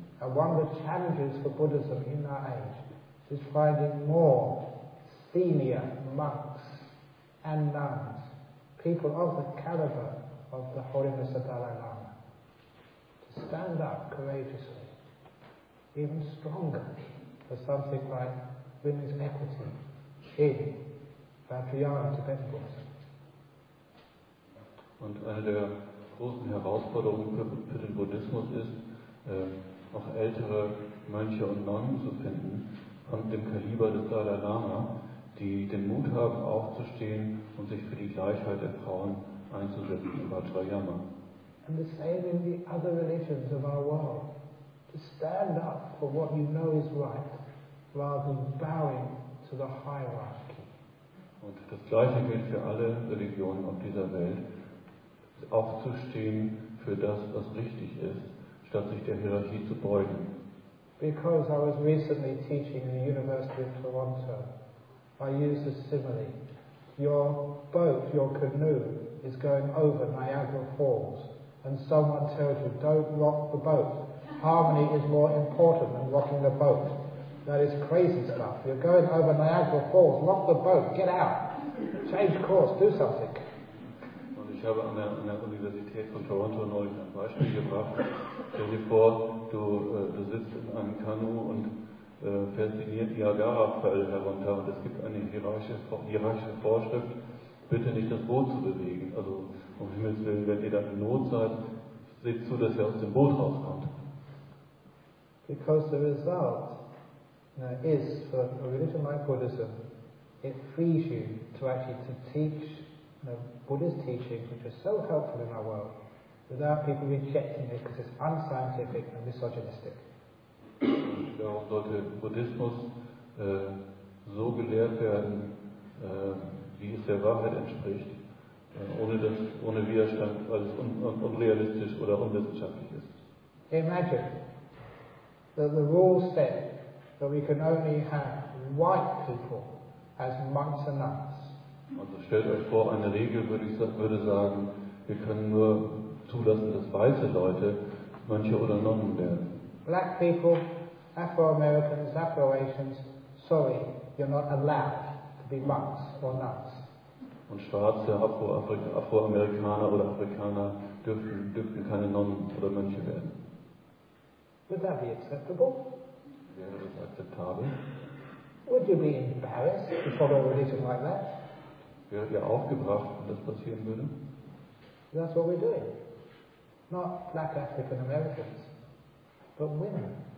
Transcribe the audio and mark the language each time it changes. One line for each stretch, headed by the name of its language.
English: And one of the challenges for Buddhism in our age is finding more senior monks and nuns, people of the caliber of the Holiness of Dalai Lama, to stand up courageously, even stronger, for something like women's equity in Vajrayana Tibetan Buddhism.
German: Und eine der großen Herausforderungen für den Buddhismus ist, auch ältere Mönche und Nonnen zu finden, von dem Kaliber des Dalai Lama, die den Mut haben, aufzustehen und sich für die Gleichheit der Frauen einzusetzen in Vajrayana.
English: And the same in the other religions of our world. To stand up for what you know is right, rather than bowing to the hierarchy.
German: Und das Gleiche gilt für alle Religionen auf dieser Welt. Aufzustehen für das, was richtig ist, statt sich der Hierarchie zu beugen.
English: Because I was recently teaching in the University of Toronto, I use a simile. Your boat, your canoe, is going over Niagara Falls, and someone tells you, don't rock the boat. harmony is more important than rocking the boat. That is crazy stuff. You're going over Niagara Falls, rock the boat, get out, change course, do something.
German: Ich habe an der Universität von Toronto neulich ein Beispiel gebracht. Stell dir vor, du sitzt in einem Kanu und fasziniert Niagara-Fall herunter. Und es gibt eine hierarchische Vorschrift, bitte nicht das Boot zu bewegen. Also, um Himmels Willen, wenn ihr dann in Not seid, seht zu, dass ihr aus dem Boot rauskommt.
English: Because the result is, for a religion like Buddhism, it frees you to actually to teach the Buddha's teachings, which are so helpful in our world, without people rejecting it because it's unscientific and misogynistic.
German: Darum sollte Buddhismus so gelehrt werden, wie es der Wahrheit entspricht, ohne Widerstand, weil es unrealistisch oder unwissenschaftlich ist.
English: Imagine that the rule said that we can only have white people as monks and nuns.
German: Also stellt euch vor, eine Regel würde sagen, wir können nur zulassen, dass weiße Leute Mönche oder Nonnen werden.
English: Black people, Afro-Americans, Afro-Asians, sorry, you're not allowed to be monks or nuns.
German: Und Schwarze, Afro-Amerikaner oder Afrikaner dürfen keine Nonnen oder Mönche werden.
English: Would that be acceptable?
German: Wäre das akzeptabel?
English: Would you be embarrassed to follow a religion like that?
German: Wäre ihr aufgebracht, wenn das passieren würde?
English: That's what we're doing. Not black African Americans, but women.